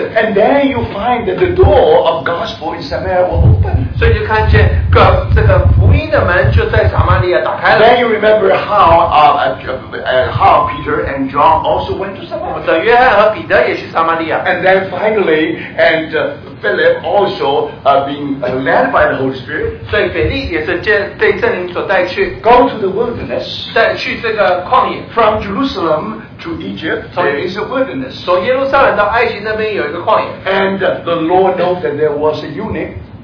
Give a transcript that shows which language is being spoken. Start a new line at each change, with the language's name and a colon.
English: and then you find that the door of gospel in Samaria will open.
Chinese: 所以就看见这个福音的门就在撒玛利亚打开了。
English: Then you remember how Peter and John also went to Samaria.
Chinese: 约翰和彼得也去撒玛利亚。
English: And then finally, and Philip also being led by the Holy Spirit,
Chinese: 所以腓力也是被圣灵所带去,
English: go to the wilderness,
Chinese: 带去这个旷野,
English: from Jerusalem to Egypt, there is a wilderness,
Chinese: 从耶路撒冷到埃及那边有一个旷野,
English: and the Lord knows that there was a eunuch,